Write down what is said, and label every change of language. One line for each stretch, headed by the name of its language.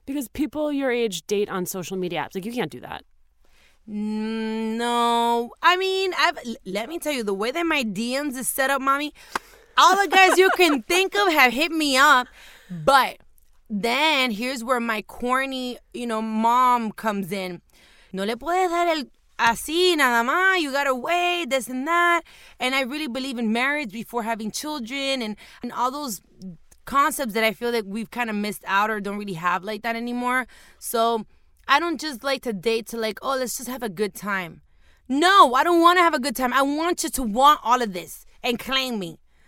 English: Because people your age date on social media apps. Like, you can't do that. No. I mean, let me tell you, the way that my DMs is set up, mommy, all the guys you can think of have hit me up. But then here's where my corny, you know, mom comes in.
Spanish: No le puedes dar el así nada más.
English: You gotta wait, this and that. And I really believe in marriage before having children and all those concepts that I feel that we've kind of missed out or don't really have like that anymore. So I don't just like to date to like, oh, let's just have a good time. No, I don't want to have a good time. I want you to want all of this and claim me.